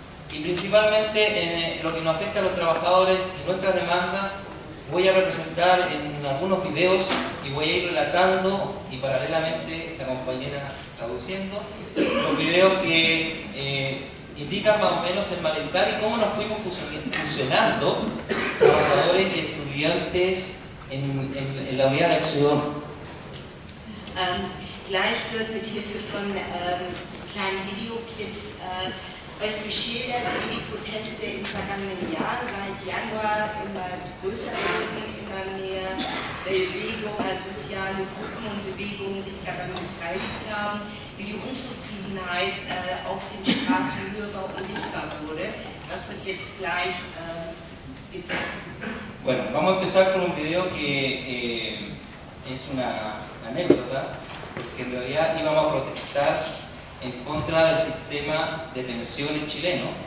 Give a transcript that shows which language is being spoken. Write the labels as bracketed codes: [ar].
[es] y principalmente lo que nos afecta a los trabajadores y nuestras demandas voy a representar en algunos videos y voy a ir relatando y paralelamente la compañera traduciendo los videos que indica más o menos el malestar y cómo nos fuimos fusionando trabajadores y estudiantes en la unidad de acción. [de] Gleich wird mit Hilfe von kleinen Videoclips euch geschildert, wie die Proteste im vergangenen Jahr seit Januar immer größer wurden, immer mehr Bewegungen, soziale Gruppen und Bewegungen sich daran beteiligt haben, wie die Unzufriedenheit auf den Straßen hörbar und sichtbar wurde. Das wird jetzt gleich gezeigt. [es] Bueno, vamos a empezar con un video que es una anécdota, que en realidad íbamos a protestar en contra del sistema de pensiones chileno.